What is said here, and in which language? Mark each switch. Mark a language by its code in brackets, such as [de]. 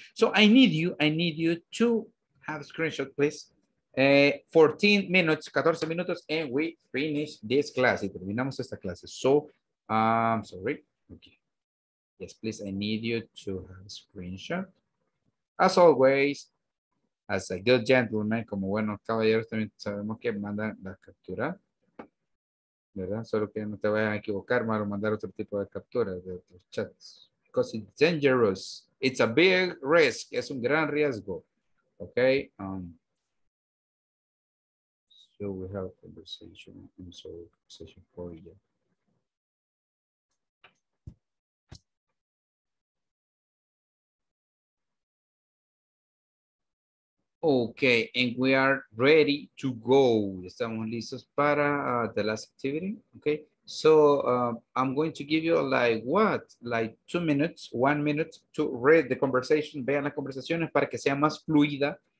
[en] So, I need you to have a screenshot, please. 14 minutes, and we finish this class. [es] Y terminamos esta clase. [en] So, sorry. Okay. Yes, please, I need you to have a screenshot. As always, as a good gentleman, [es] como buenos caballeros, también sabemos que mandan la captura, ¿verdad? Solo que no te vayan a equivocar, malo mandar otro tipo de captura de otros chats. [en] Because it's dangerous. It's a big risk. [es] Es un gran riesgo. [en] Okay. So we have a conversation. And so, session for you. Okay, and we are ready to go. [es] Estamos listos para [en] the last activity. Okay, so I'm going to give you like 2 minutes, 1 minute to read the conversation. [es] Vean las conversaciones para que sea más fluida.